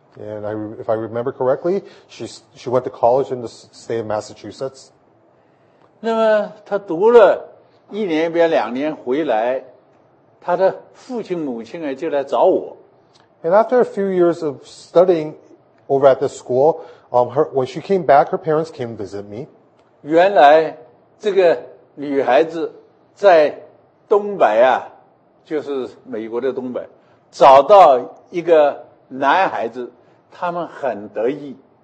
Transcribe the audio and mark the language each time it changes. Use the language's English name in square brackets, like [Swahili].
[English] And if I remember correctly, she went to college in the state of Massachusetts. [Chinese] 那么他读了一年边两年回来，他的父亲母亲就来找我。 [English] And after a few years of studying over at the school, when she came back, her parents came to visit me. [Chinese] 原来这个女孩子在东北啊，就是美国的东北，找到一个男孩子，他们很得意。